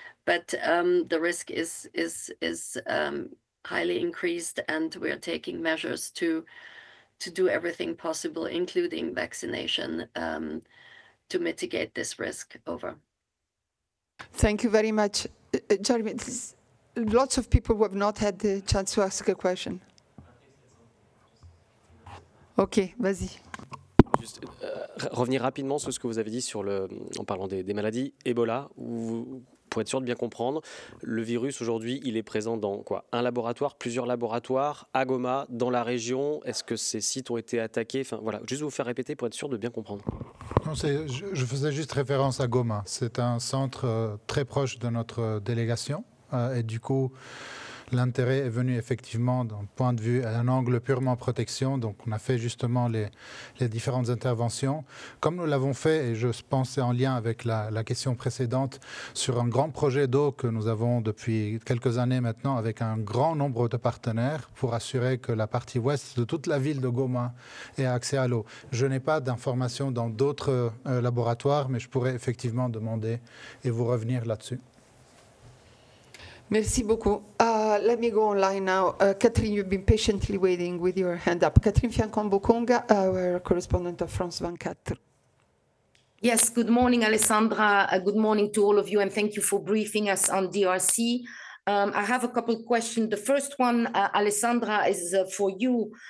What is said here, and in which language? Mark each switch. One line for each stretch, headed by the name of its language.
English: But the risk is highly increased, and we are taking measures to do everything possible, including vaccination, to mitigate this risk. Over. Thank you very much, Jeremy. Lots of people who have not had the chance to ask a question.
French: Ok, vas-y. Juste revenir rapidement sur ce que vous avez dit sur le, en parlant des maladies Ebola, où vous, pour être sûr de bien comprendre, le virus aujourd'hui, il est présent dans quoi ? Un laboratoire, plusieurs laboratoires, à Goma, dans la région ? Est-ce que ces sites ont été attaqués ? Enfin, voilà, juste vous faire répéter pour être sûr de bien comprendre. Non, je faisais juste référence à Goma. C'est un centre très proche de notre délégation. Et du coup, l'intérêt est venu effectivement d'un point de vue, un angle purement protection. Donc on a fait justement les différentes interventions. Comme nous l'avons fait, et je pense c'est en lien avec la question précédente, sur un grand projet d'eau que nous avons depuis quelques années maintenant avec un grand nombre de partenaires pour assurer que la partie ouest de toute la ville de Goma ait accès à l'eau. Je n'ai pas d'informations dans d'autres laboratoires, mais je pourrais effectivement demander et vous revenir là-dessus. Merci beaucoup.
English: Let me go online now. Catherine, you've been patiently waiting with your hand up. Catherine Fiancombo-Kunga, our correspondent of France 24. Yes, good morning, Alessandra. Good morning to all of you, and thank you for briefing us on DRC. I have a couple of questions. The first one, Alessandra, is for you.